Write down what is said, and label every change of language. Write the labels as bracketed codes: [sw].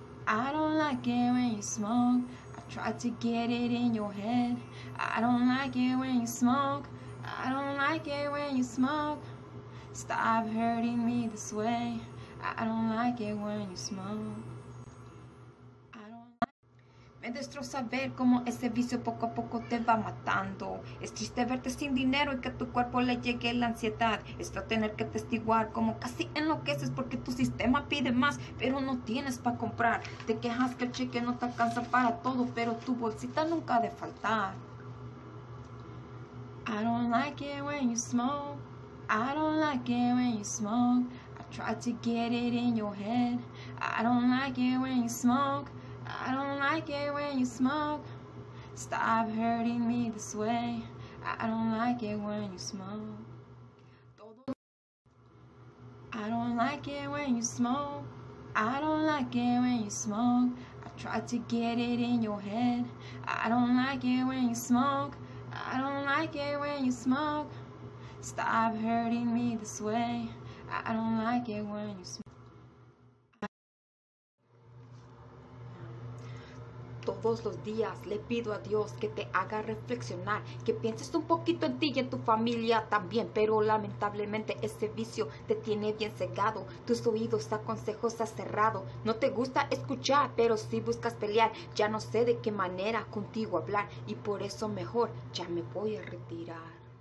[en] I don't like it when you smoke. I try to get it in your head. I don't like it when you smoke. I don't like it when you smoke. Stop hurting me this way. I don't like it when you smoke. [es] Me destroza ver cómo ese vicio poco a poco te va matando. Es triste verte sin dinero y que a tu cuerpo le llegue la ansiedad. Es feo tener que atestiguar cómo casi enloqueces porque tu sistema pide más, pero no tienes para comprar. Te quejas que el cheque no te alcanza para todo, pero tu bolsita nunca ha de faltar. [en] I don't like it when you smoke. I don't like it when you smoke. I try to get it in your head. I don't like it when you smoke. I don't like it when you smoke. Stop hurting me this way. I don't like it when you smoke. I don't like it when you smoke. I don't like it when you smoke. I try to get it in your head. I don't like it when you smoke. I don't like it when you smoke. Stop hurting me this way. I don't like it when you smoke. [es] Todos los días le pido a Dios que te haga reflexionar, que pienses un poquito en ti y en tu familia también, pero lamentablemente ese vicio te tiene bien cegado, tus oídos a consejos has cerrado, no te gusta escuchar, pero si buscas pelear, ya no sé de qué manera contigo hablar y por eso mejor ya me voy a retirar.